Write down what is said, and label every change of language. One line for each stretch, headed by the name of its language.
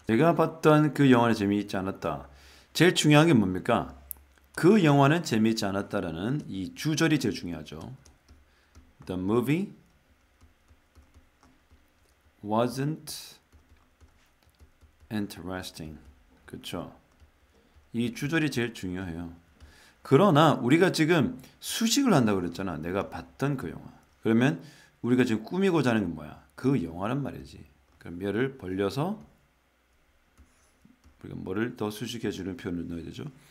Korean: 내가 봤던 그 영화는 재미있지 않았다. 제일 중요한 게 뭡니까? 그 영화는 재미있지 않았다라는 이 주절이 제일 중요하죠.
English: The movie wasn't interesting.
Korean: 그쵸? 이 주절이 제일 중요해요. 그러나 우리가 지금 수식을 한다고 그랬잖아. 내가 봤던 그 영화. 그러면 우리가 지금 꾸미고자 하는 게 뭐야? 그 영화란 말이지. 그럼 얘를 벌려서 그리고 뭐를 더 수식해 주는 표현을 넣어야 되죠.